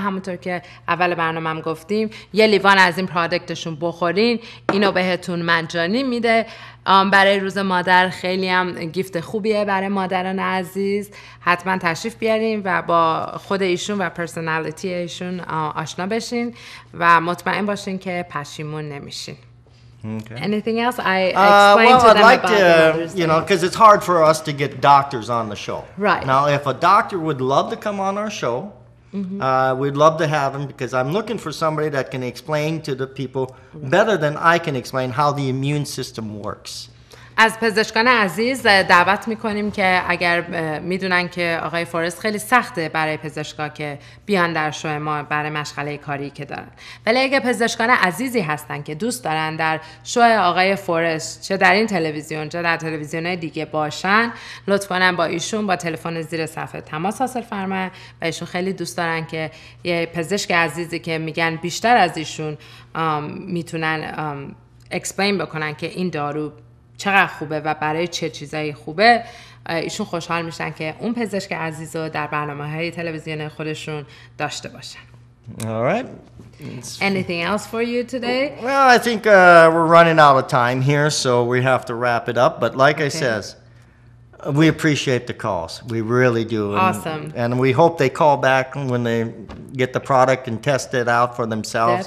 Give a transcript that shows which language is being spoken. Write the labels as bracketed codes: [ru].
[fa] همونطور که اول برنامه هم گفتیم، یه لیوان از این پرادکتشون بخورین، اینو بهتون مجانی میده. برای روز مادر خیلی هم گیفت خوبیه برای مادران عزیز. حتما تشریف بیاریم و با خود ایشون و پرسنالیتی ایشون آشنا بشین و مطمئن باشین که پشیمون نمیشین. [en] Okay. Anything else? I explained to them I'd like to, because it's hard for us to get doctors on the show. Right. Now, if a doctor would love to come on our show, we'd love to have him, because I'm looking for somebody that can explain to the people better than I can explain how the immune system works. [fa] از پزشکان عزیز دعوت میکنیم که اگر میدونن که آقای فورست خیلی سخته برای پزشکا که بیان در شو ما برای مشغله کاری که دارن، ولی اگر پزشکان عزیزی هستن که دوست دارن در شو آقای فورست چه در این تلویزیون چه در تلویزیون های دیگه باشن، لطفاً با ایشون با تلفن زیر صفحه تماس حاصل فرمایید و ایشون خیلی دوست دارن که یه پزشک عزیزی که میگن بیشتر از ایشون میتونن اکسپلین بکنن که این دارو چقدر خوبه و برای چه چیزایی خوبه، ایشون خوشحال میشن که اون پزشک عزیز رو در برنامه های تلویزیون خودشون داشته باشن. [en] All right. Anything else for you today? Well, I think we're running out of time here, so we have to wrap it up. But like I says, we appreciate the calls. We really do. Awesome. And we hope they call back when they get the product and test it out for themselves.